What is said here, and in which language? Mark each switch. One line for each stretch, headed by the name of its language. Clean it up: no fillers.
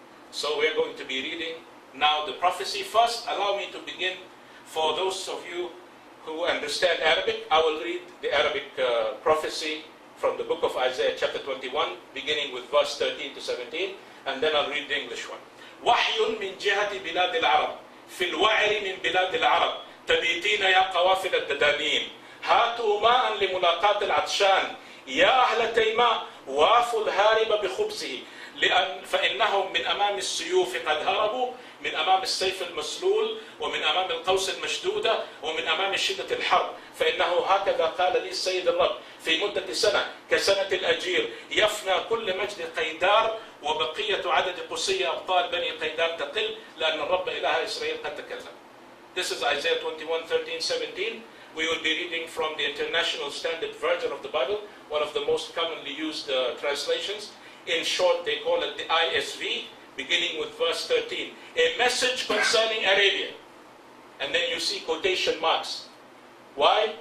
English: So we're going to be reading now the prophecy. First, allow me to begin. For those of you who understand Arabic, I will read the Arabic prophecy from the book of Isaiah chapter 21, beginning with verse 13 to 17, and then I'll read the English one.
Arabic: وَحْيٌ مِنْ جِهَةِ بِلَادِ الْعَرَبِ فِي الْوَعِرِ مِنْ بِلَادِ الْعَرَبِ تبيتين يا قوافل الددانين هاتوا ماء لملاقاة العطشان يا أهل تيماء وافوا الهارب بخبزه لأن فإنهم من أمام السيوف قد هربوا من أمام السيف المسلول ومن أمام القوس المشدودة ومن أمام شدة الحرب فإنه هكذا قال لي السيد الرب في مدة سنة كسنة الأجير يفنى كل مجد قيدار وبقية عدد قصي أبطال بني قيدار تقل لأن الرب إله إسرائيل قد تكلم.
English: This is Isaiah 21, 13, 17. We will be reading from the International Standard Version of the Bible, one of the most commonly used translations. In short, they call it the ISV, beginning with verse 13. A message concerning Arabia. And then you see quotation marks. Why?